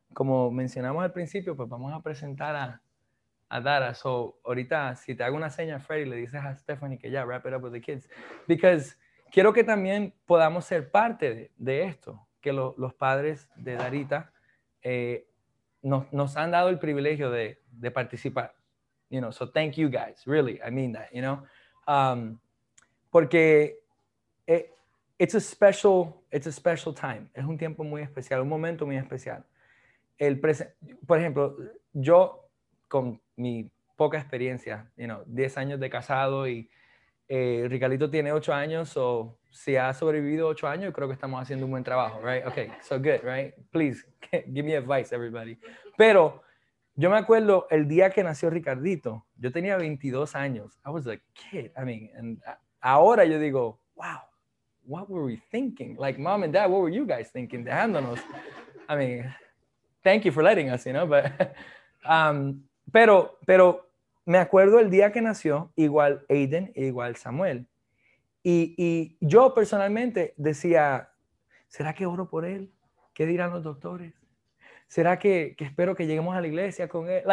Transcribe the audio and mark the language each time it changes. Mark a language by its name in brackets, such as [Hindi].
[Spanish] Como mencionamos al principio, pues vamos a presentar a Dara. So, ahorita, si te hago una seña, Freddy, le dices a Stephanie que ya, [English] yeah, wrap it up with the kids. Because [Spanish] quiero que también podamos ser parte de esto, que los padres de Darita nos han dado el privilegio de participar. [English] You know, so thank you guys. Really, I mean that, you know. [Spanish] Porque [English] it's a special time. [Spanish] Es un tiempo muy especial, un momento muy especial. Por ejemplo, yo con mi poca experiencia, [English] you know, [Spanish] 10 años de casado y Ricardito tiene 8 años, so si ha sobrevivido 8 años, creo que estamos haciendo un buen trabajo, [English] right? Okay, so good, right? Please, give me advice, everybody. [Spanish] Pero yo me acuerdo el día que nació Ricardito, yo tenía 22 años. [English] I was a kid, I mean, and [Spanish] ahora yo digo, [English] wow, what were we thinking? Like, mom and dad, what were you guys thinking, [Spanish] dejándonos? [English] I mean, thank you for letting us, you know, but, [Spanish] pero me acuerdo el día que nació, igual Aiden, igual Samuel, y yo personalmente decía, ¿será que oro por él? ¿Qué dirán los doctores? ¿Será que espero que lleguemos a la iglesia con él?